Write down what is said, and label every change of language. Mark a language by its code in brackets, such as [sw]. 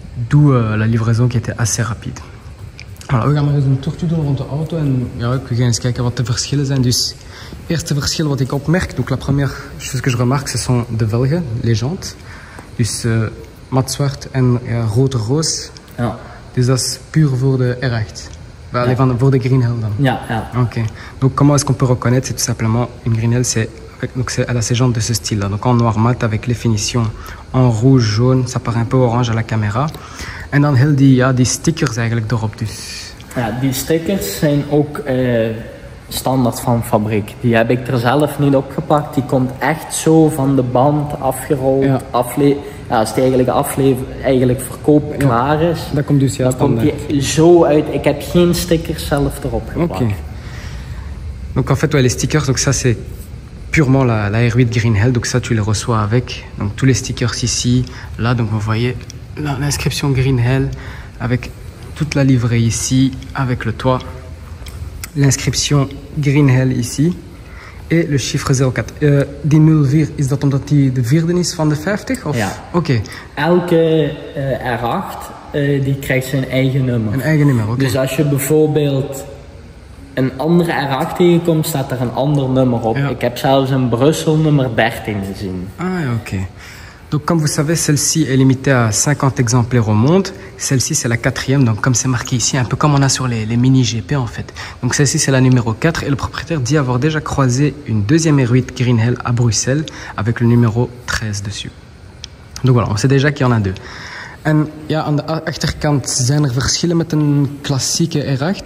[fr] D'où la livraison qui était assez rapide. Voilà. [nl] We gaan maar eens een tourtje doen rond de auto en ja, ik ga eens kijken wat de verschillen zijn. Dus het eerste verschil wat ik opmerk, [fr] donc la première chose que je remarque, ce sont [nl] de velgen, [fr] les jantes. [nl] Dus mat zwart en rood roos. Ja. Dus dat is puur voor de R8. Well, ja. Voor de Green Hell dan. Ja, ja. Oké. Okay. [fr] Donc comment est-ce qu'on peut reconnaître? C'est tout simplement une Green Hell, elle a ses jantes de ce style-là. Donc en noir mat avec les finitions en rouge, jaune, ça paraît un peu orange à la caméra. [nl] En dan heel die stickers eigenlijk erop dus. Ja, die stickers zijn ook standaard van fabriek. Die heb ik er zelf niet opgepakt. Die komt echt zo van de band afgerold. Ja. Als die eigenlijk verkoop klaar is. Dat komt dus standaard. Komt die zo uit. Ik heb geen stickers zelf erop gepakt. Oké. Okay. [fr] Donc en fait, ouais, les stickers, donc ça c'est purement la R8 Green Hell. Donc ça, tu les reçois avec. Donc tous les stickers ici, là, donc vous voyez... L'inscription Green Hell avec toute la livrée ici, avec le toit, l'inscription Green Hell ici et le chiffre 04. [nl] Die 0 vier, is dat omdat die de vierde is van de 50? Of? Ja. Oké. Okay. Elke R8 die krijgt zijn eigen nummer. Een eigen nummer, oké. Okay. Dus als je bijvoorbeeld een andere R8 tegenkomt, staat er een ander nummer op. Ja. Ik heb zelfs een Brussel nummer 13 gezien. Ah ja, oké. Okay. [fr] Donc comme vous savez, celle-ci est limitée à 50 exemplaires au monde. Celle-ci, c'est la quatrième, donc comme c'est marqué ici, un peu comme on a sur les mini-GP en fait. Donc celle-ci, c'est la numéro 4 et le propriétaire dit avoir déjà croisé une deuxième R8 Green Hell à Bruxelles avec le numéro 13 dessus. Donc voilà, on sait déjà qu'il y en a deux. [nl] En ja, aan de achterkant zijn er verschillen met een klassieke R8.